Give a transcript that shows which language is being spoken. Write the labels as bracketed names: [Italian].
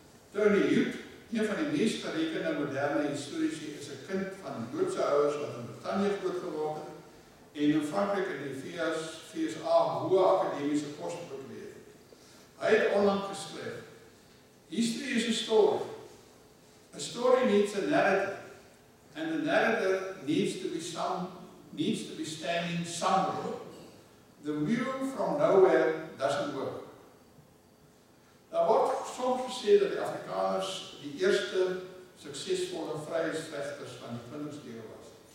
[Afrikaans] Tony Hewitt, een van die meest gerekende moderne historici, is 'n kind van Joodse ouers wat in Brittanje groot geword het en in Frankrijk in die VSA hoë akademiese poste bekleed het. Hy het onlangs geskryf: [English] History is a story. A story needs a narrative. And the narrator needs to be standing somewhere. The wheel from nowhere doesn't work. [Afrikaans] Daar word soms gesê dat die Afrikaners die eerste suksesvolle vryheidsvegters van die vindingsdeel was.